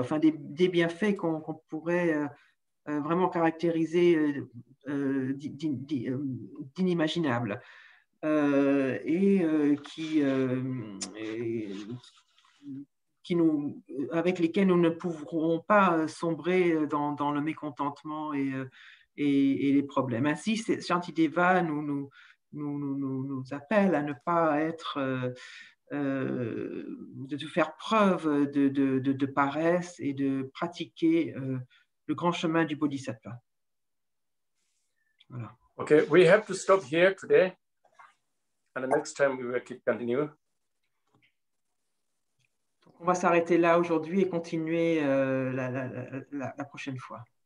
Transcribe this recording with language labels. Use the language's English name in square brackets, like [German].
[French] Enfin, des bienfaits qu'on pourrait vraiment caractériser d'inimaginables avec lesquels nous ne pourrons pas sombrer dans le mécontentement et les problèmes. Ainsi, Shantideva nous appelle à ne pas être de faire preuve de paresse et de pratiquer le grand chemin du bodhisattva. Voilà. [English] Ok, we have to stop here today, and the next time we will keep continue. [French] Donc on va s'arrêter là aujourd'hui et continuer la prochaine fois.